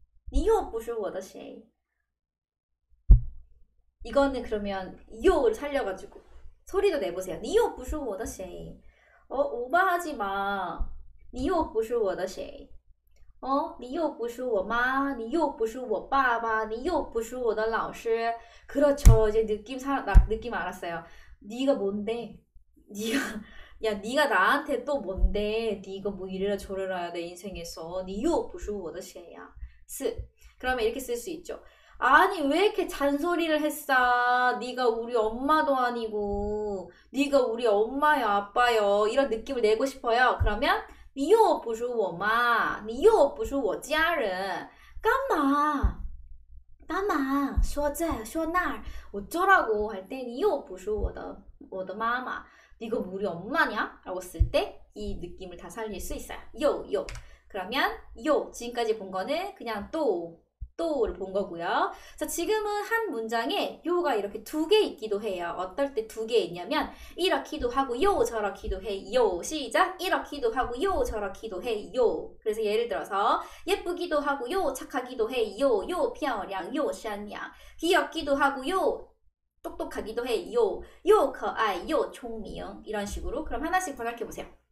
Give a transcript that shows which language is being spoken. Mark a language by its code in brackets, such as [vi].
[zh] 你又不是我的谁.你又不是我的谁. [ko] 이거는 그러면 요를 살려가지고 소리도 내보세요. [zh] 你又不是我的谁. [ko] 오바하지 마. [zh] 你又不是我的谁.你又不是我妈. 你又不是我爸爸.你又不是我的老师. [ko] 그렇죠. 이제 느낌 알았어요. 네가 뭔데? 네가 나한테 또 뭔데? 네가 뭐 이래라 저래라 내 인생에서. [zh] 你又不是我的谁呀. [ko] 그러면 이렇게 쓸수 있죠. 아니 왜 이렇게 잔소리를 했어? 네가 우리 엄마도 아니고 네가 우리 엄마요 아빠요 이런 느낌을 내고 싶어요. [zh] 그러면 你又不是我妈, 你又不是我家人. 干嘛? 说这说那, [ko] 어쩌라고 할때 [zh] 你又不是我的妈妈, [ko] 네가 우리 엄마냐? 라고 쓸때이 느낌을 다 살릴 수 있어요. 요요 요. 그러면 요 지금까지 본 거는 그냥 또 또를 본 거고요. 자, 지금은 한 문장에 요가 이렇게 두개 있기도 해요. 어떨 때두개 있냐면 이렇기도 하고 요 저렇기도 해요 시작 이렇기도 하고 요 저렇기도 해요 그래서 예를 들어서 예쁘기도 하고 요 착하기도 해요요 漂亮 요 善良 귀엽기도 하고 요 똑똑하기도 해요요 可爱 요 聪明 이런 식으로 그럼 하나씩 번역해 보세요.